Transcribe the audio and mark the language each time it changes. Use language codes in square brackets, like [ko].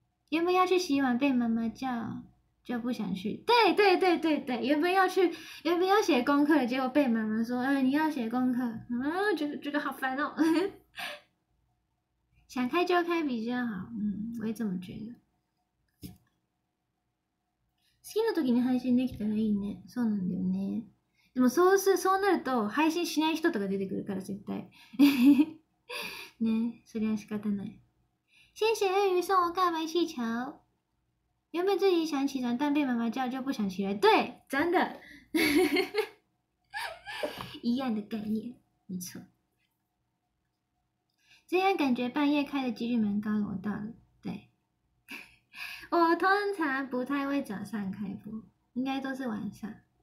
[zh] 原本要去洗碗，被妈妈叫就不想去。对对对对对，原本要写功课，结果被妈妈说：“你要写功课。” 觉得好烦哦。想开就开比较好，我也这么觉得。 [ja] 好きな時に配信できたらいいね。そうなんだよね。でもそうなると配信しない人とか出てくるから絶対。ね、そりゃ仕方ない。 [zh] 谢谢鳄鱼送我告白气球。原本自己想起床，但被妈妈叫就不想起来。对，真的。一样的概念，没错。这样感觉半夜开的几率蛮高的，我到了。对，我通常不太会早上开播，应该都是晚上。